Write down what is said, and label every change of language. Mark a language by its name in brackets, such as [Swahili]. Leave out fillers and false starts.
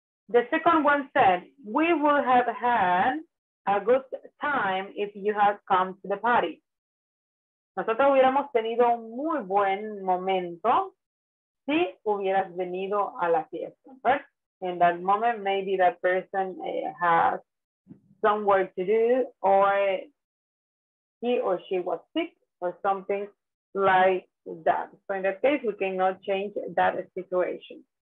[English] The second one said, we would have had a good time if you had come to the party. [Spanish] Nosotros hubiéramos tenido un muy buen momento si hubieras venido a la fiesta. [English] But in that moment, maybe that person has some work to do, or he or she was sick or something like that. So in that case, we cannot change that situation.